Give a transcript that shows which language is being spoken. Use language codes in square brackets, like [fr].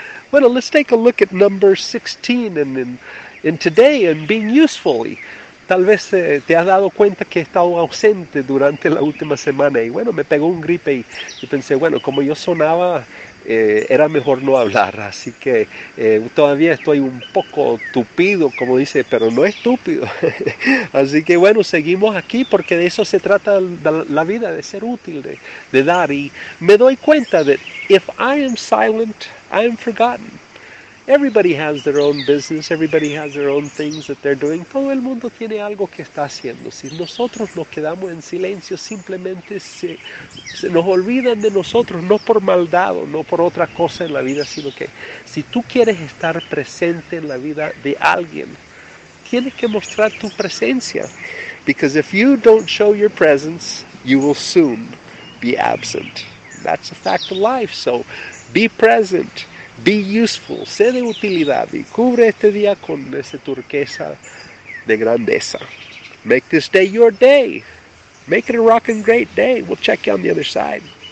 [en] Bueno, let's take a look at number 16 and in today and being useful. [es] Tal vez te has dado cuenta que he estado ausente durante la última semana y bueno, me pegó un gripe y pensé, bueno, como yo sonaba, era mejor no hablar. Así que todavía estoy un poco tupido, como dice, pero no estúpido. Así que bueno, seguimos aquí porque de eso se trata la vida, de ser útil, de dar. Y me doy cuenta de, [en] if I am silent, I am forgotten. Everybody has their own business, everybody has their own things that they're doing. [es] Todo el mundo tiene algo que está haciendo. Si nosotros nos quedamos en silencio, simplemente se nos olvidan de nosotros, no por maldad o no por otra cosa en la vida, sino que si tú quieres estar presente en la vida de alguien, tienes que mostrar tu presencia. [en] Because if you don't show your presence, you will soon be absent. That's a fact of life, so be present. Be useful, [es] sé de utilidad y cubre este día con esa turquesa de grandeza. [en] Make this day your day. Make it a rockin' great day. We'll check you on the other side.